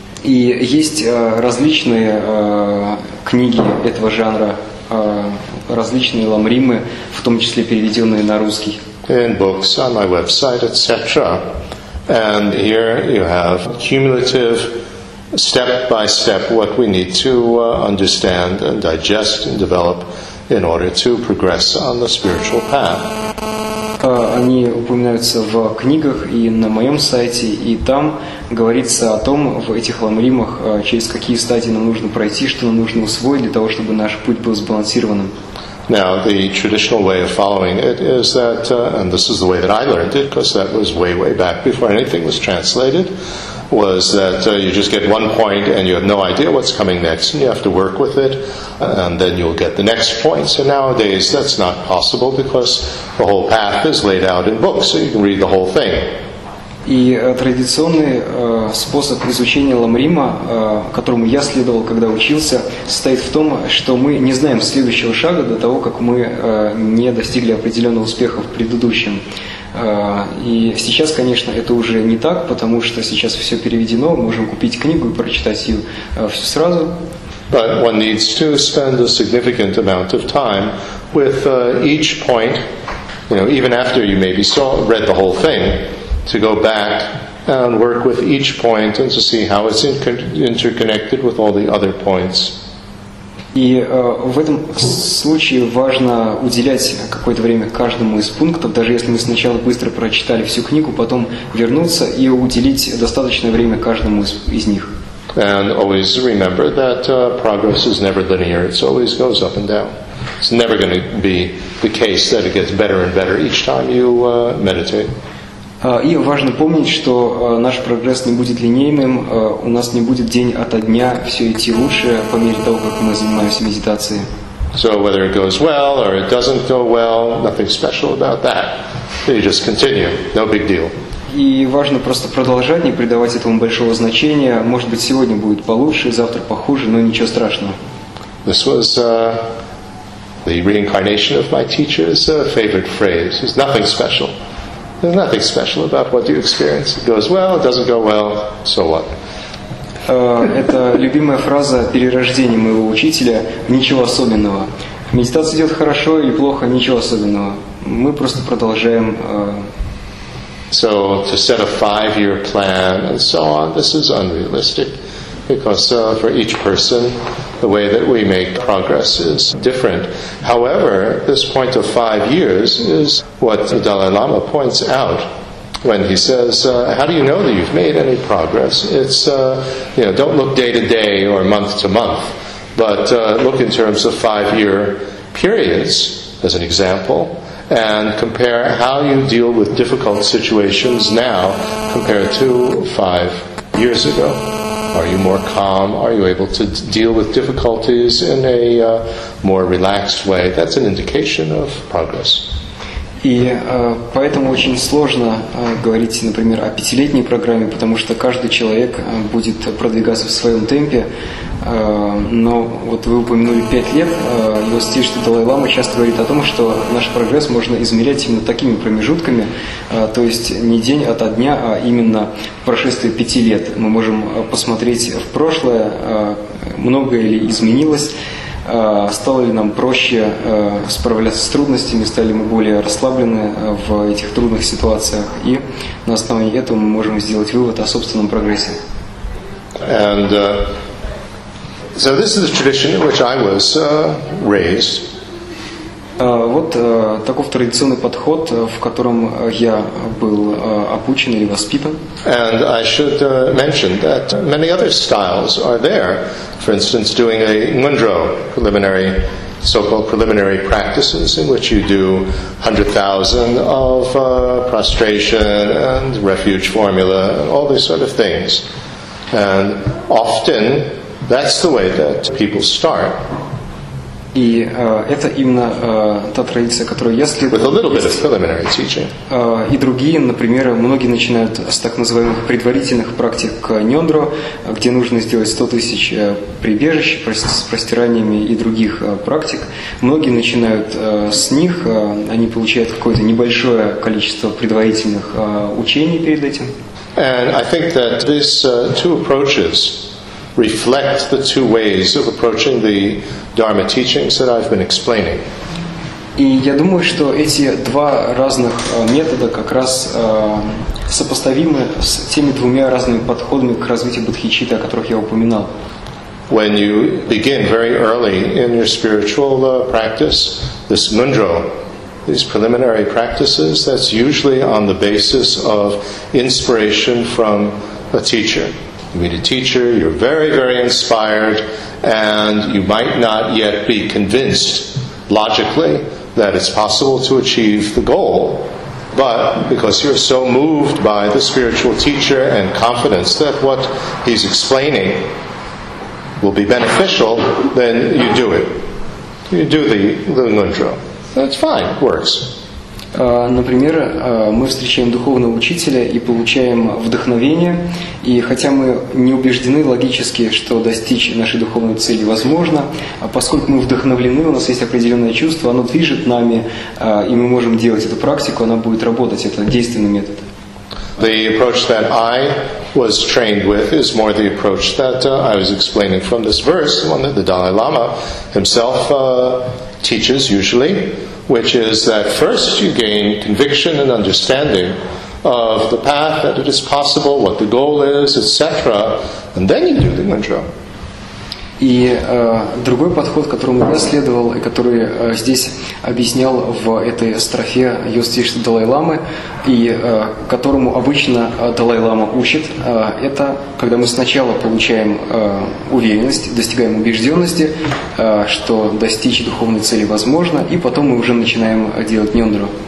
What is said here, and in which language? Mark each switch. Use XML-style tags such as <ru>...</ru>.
<ru>И есть различные книги этого жанра, различные ламримы, в том числе переведенные на русский.</ru> <en>In books, on my website, etc. And here you have cumulative, step-by-step, what we need to understand and digest and develop in order to progress on the spiritual path.</en> <ru>они упоминаются в книгах и на моем сайте, и там говорится о том, в этих ламримах, через какие стадии нам нужно пройти, что нам нужно усвоить для того, чтобы наш путь был сбалансированным.</ru> <en>Now, the traditional way of following it is that, and this is the way that I learned it, because that was way, way back before anything was translated, was that you just get one point and you have no idea what's coming next, and you have to work with it, and then you'll get the next point. So nowadays, that's not possible because the whole path is laid out in books, so you can read the whole thing.</en> <ru>И традиционный способ изучения ламрима, которому я следовал, когда учился, состоит в том, что мы не знаем следующего шага до того, как мы не достигли определенного успеха в предыдущем. И сейчас, конечно, это уже не так, потому что сейчас все переведено, мы можем купить книгу и прочитать ее всю сразу.</ru> <en>But one needs to spend a significant amount of time with each point, you know, even after you maybe read the whole thing, to go back and work with each point and to see how it's interconnected with all the other points.</en> <ru>И в этом случае важно уделять какое-то время каждому из пунктов, даже если мы сначала быстро прочитали всю книгу, потом вернуться и уделить достаточное время каждому из них.</ru> <en>And always remember that progress is never linear. It always goes up and down. It's never going to be the case that it gets better and better each time you meditate.</en> <ru>И важно помнить, что наш прогресс не будет линейным, у нас не будет день ото дня все идти лучше по мере того, как мы занимаемся медитацией.</ru> <en>So whether it goes well or it doesn't go well, nothing special about that. You just continue, no big deal.</en> <ru>И важно просто продолжать, не придавать этому большого значения. Может быть, сегодня будет получше, завтра похуже, но ничего страшного.</ru> <en>This was the reincarnation of my teacher's favorite phrase. It's nothing special. There's nothing special about what you experience. It goes well, it doesn't go well, so what?</en> <ru>Это любимая фраза перерождения моего учителя. Ничего особенного. Медитация идет хорошо или плохо, ничего особенного. Мы просто продолжаем.</ru> <en>So to set a 5-year plan and so on, this is unrealistic. Because for each person, the way that we make progress is different. However, this point of 5 years is what the Dalai Lama points out when he says, how do you know that you've made any progress? It's, you know, don't look day to day or month to month, but look in terms of 5-year periods, as an example, and compare how you deal with difficult situations now compared to 5 years ago. Are you more calm? Are you able to deal with difficulties in a more relaxed way? That's an indication of progress.</en> <ru>И поэтому очень сложно говорить, например, о 5-летней программе, потому что каждый человек будет продвигаться в своем темпе. Но вот вы упомянули 5 лет, и вот Стиш Далай-Лама часто говорит о том, что наш прогресс можно измерять именно такими промежутками, то есть не день ото дня, а именно в прошествии 5 лет. Мы можем посмотреть в прошлое, многое ли изменилось, стало ли нам проще справляться с трудностями, стали ли мы более расслаблены в этих трудных ситуациях, и на основании этого мы можем сделать вывод о собственном прогрессе.</ru> <en>And so this is the tradition in which I was raised.</en> <ru>Вот таков традиционный подход, в котором я был обучен или воспитан.</ru> <en>And I should mention that many other styles are there. For instance, doing a mundro, preliminary, so-called preliminary practices, in which you do 100,000 of prostration and refuge formula, and all these sort of things. And often, that's the way that people start.</en> <ru>И это именно та традиция, которую я следую.</ru> <en>With a little bit of preliminary teaching.</en> <ru>И другие, например, многие начинают с так называемых предварительных практик нёндро, где нужно сделать 100 тысяч прибежищ с простираниями и других практик. Многие начинают с них, они получают какое-то небольшое количество предварительных учений перед этим.</ru> <en>And I think that these two approaches reflect the two ways of approaching the Dharma teachings that I've been explaining.</en> <ru>И я думаю, что эти два разных метода как раз сопоставимы с теми двумя разными подходами к развитию бодхичитты, о которых я упоминал.</ru> <en>When you begin very early in your spiritual practice, this mundro these preliminary practices, that's usually on the basis of inspiration from a teacher. You meet a teacher, you're very, very inspired, and you might not yet be convinced logically that it's possible to achieve the goal. But because you're so moved by the spiritual teacher and confidence that what he's explaining will be beneficial, then you do it. You do the mudra. That's fine. It works.</en> <ru>Например, мы встречаем духовного учителя и получаем вдохновение. И хотя мы не убеждены логически, что достичь нашей духовной цели возможно, поскольку мы вдохновлены, у нас есть определенное чувство, оно движет нами, и мы можем делать эту практику, она будет работать, это действенный метод.</ru> <en>The approach that I was trained with is more the approach that I was explaining from this verse, one that the Dalai Lama himself teaches usually, which is that first you gain conviction and understanding of the path, that it is possible, what the goal is, etc., and then you do the mudra.</en> <ru>И другой подход, которому я следовал, и который здесь объяснял в этой строфе юстиш Далай-ламы, и которому обычно Далай-лама учит, это когда мы сначала получаем уверенность, достигаем убежденности, что достичь духовной цели возможно, и потом мы уже начинаем делать нюндру.</ru>